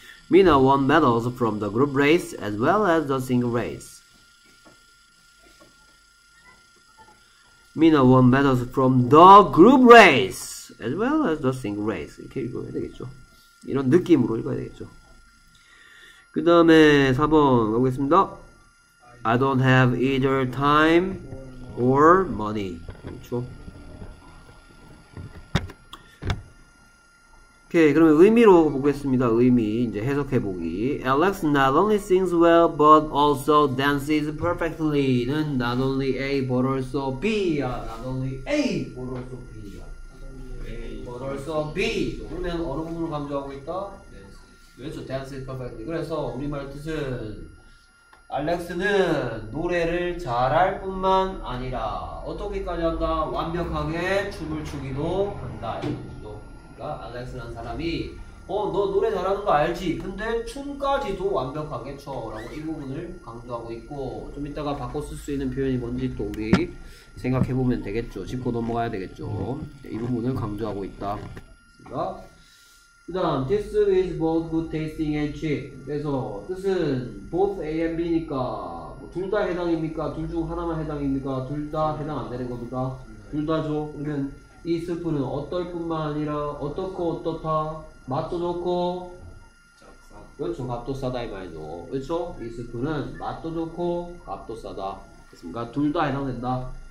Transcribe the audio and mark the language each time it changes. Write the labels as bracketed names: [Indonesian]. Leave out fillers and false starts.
[English] 미나 won medals from the group race as well as the single race. 미나 won medals from the group race as well as the single race. [Korean] 이렇게 읽어야 되겠죠. 이런 느낌으로 읽어야 되겠죠. 그 다음에 4번 가보겠습니다. [English] I don't have either time or money. [Korean] 그렇죠. 오케이, 그러면 의미로 보겠습니다. 의미 이제 해석해보기. [English] Alex not only sings well but also dances perfectly 는 not only A but also B 야 not only A but also B 야 but also B. [Korean] 그러면 어느 부분을 강조하고 있다? 그렇죠. [English] dances perfectly. [Korean] 그래서 우리말 뜻은 Alex는 노래를 잘할 뿐만 아니라 어떻게까지 한다? 완벽하게 춤을 추기도 한다. 알렉스라는 사람이 너 노래 잘하는 거 알지? 근데 춤까지도 완벽하게 춰 라고 이 부분을 강조하고 있고 좀 이따가 바꿔 쓸 수 있는 표현이 뭔지 또 우리 생각해보면 되겠죠. 짚고 넘어가야 되겠죠. 이 부분을 강조하고 있다. 그 다음 [English] This is both good tasting and cheap. [Korean] 그래서 뜻은 both A and B니까 뭐 둘 다 해당입니까? 둘 중 하나만 해당입니까? 둘 다 해당 안 되는 겁니까? 둘 다죠. 그러면 이 스프는 어떨 뿐만 아니라 어떻고 어떻다? 맛도 좋고 그렇죠. 값도 싸다 이 말이죠. 그렇죠? 이 스프는 맛도 좋고 값도 싸다. 그러니까 둘 다 해당된다.